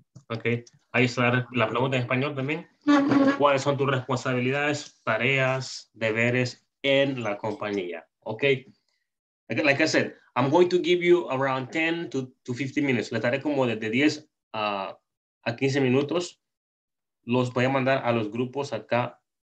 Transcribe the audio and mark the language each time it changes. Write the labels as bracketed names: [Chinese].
[Spanish] Okay, ahí está la pregunta en español también. ¿Cuáles son tus responsabilidades, tareas, deberes en la compañía? [English] Okay, like I said, I'm going to give you around 10 to 15 minutes. [Spanish] Le daré como de 10 a 15 minutos. Los voy a mandar a los grupos acá.